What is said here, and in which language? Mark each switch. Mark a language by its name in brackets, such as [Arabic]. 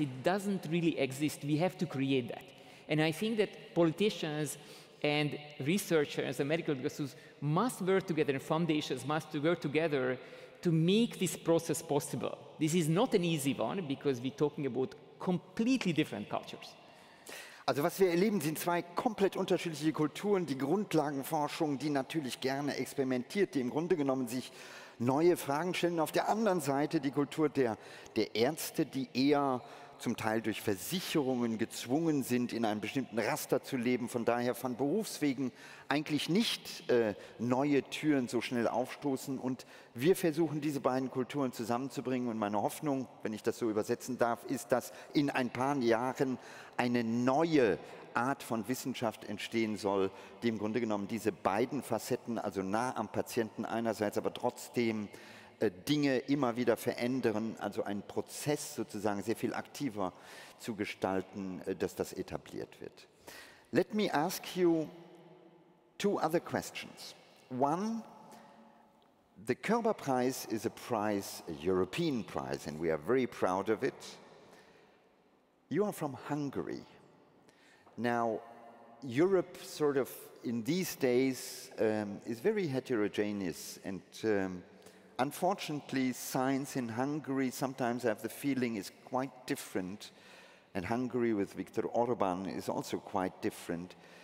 [English] It doesn't really exist. We have to create that. And I think that politicians and researchers and medical doctors must work together, and foundations must work together to make this process possible. This is not an easy one, because we're talking about completely different cultures. [German] Also was wir erleben, sind zwei komplett unterschiedliche Kulturen. Die Grundlagenforschung, die natürlich gerne experimentiert, die im Grunde genommen sich neue Fragen stellen. Auf der anderen Seite die Kultur der Ärzte, die eher zum Teil durch Versicherungen gezwungen sind, in einem bestimmten Raster zu leben, von daher von Berufswegen eigentlich nicht neue Türen so schnell aufstoßen. Und wir versuchen, diese beiden Kulturen zusammenzubringen. Und meine Hoffnung, wenn ich das so übersetzen darf, ist, dass in ein paar Jahren eine neue Art von Wissenschaft entstehen soll, die im Grunde genommen diese beiden Facetten, also nah am Patienten einerseits, aber trotzdem Dinge immer wieder verändern, also einen Prozess sozusagen sehr viel aktiver zu gestalten, dass das etabliert wird. [English] Let me ask you two other questions. One, the Körber Prize is a prize, a European prize, and we are very proud of it. You are from Hungary. Now, Europe sort of in these days is very heterogeneous, and unfortunately, science in Hungary sometimes I have the feeling is quite different, and Hungary with Viktor Orban is also quite different.